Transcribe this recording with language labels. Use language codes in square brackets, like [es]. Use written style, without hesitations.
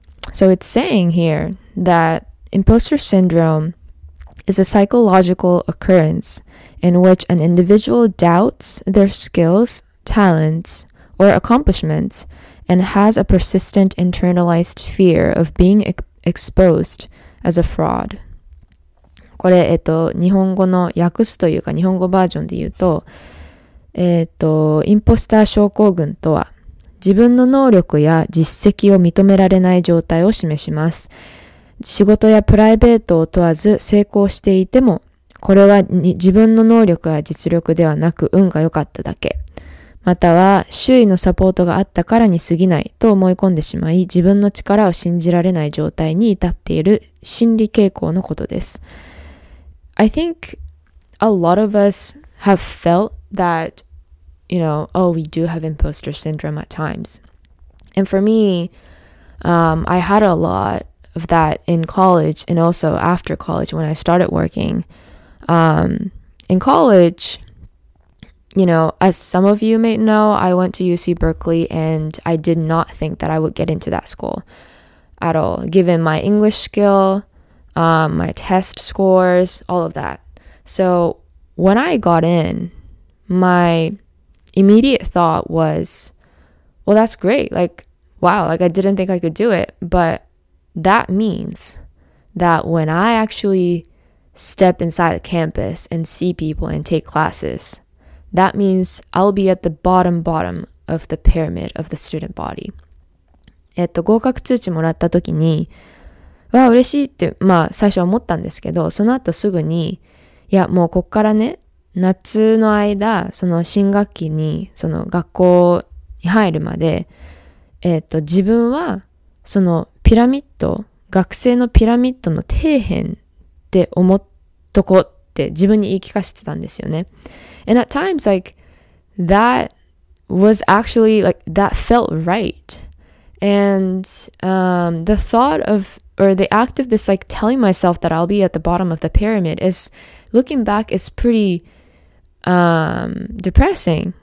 [en] So it's saying here that imposter syndrome is a psychological occurrence in which an individual doubts their skills, talents, or accomplishments and has a persistent internalized fear of being exposed as a fraud. [ja] これ、日本語の訳すというか、日本語バージョンで言うと、インポスター症候群とは、自分の能力や実績を認められない状態を示します。仕事やプライベートを問わず成功していても、これは自分の能力や実力ではなく運が良かっただけ。または周囲のサポートがあったからに過ぎないと思い込んでしまい、自分の力を信じられない状態に至っている心理傾向のことです。 [en] I think a lot of us have felt that, you know, oh, we do have imposter syndrome at times. And for me, I had a lot of that in college and also after college when I started working. In college, you know, as some of you may know, I went to UC Berkeley and I did not think that I would get into that school at all, given my English skill, my test scores, all of that. So when I got in, my immediate thought was, well, that's great. Like, wow, like I didn't think I could do it. But that means that when I actually step inside the campus and see people and take classes, that means I'll be at the bottom of the pyramid of the student body. [ja] 合格通知もらった時に、わあ、嬉しいって、まあ、最初は思ったんですけど、その後すぐに、いや、もうこっからね、夏の間、その新学期に、その学校に入るまで、自分は、そのピラミッド、学生のピラミッドの底辺って思っとこって自分に言い聞かせてたんですよね。 [en] And at times, like, that was actually, like, that felt right. And, the thought of, or the act of this, like, telling myself that I'll be at the bottom of the pyramid is, looking back, it's pretty, depressing.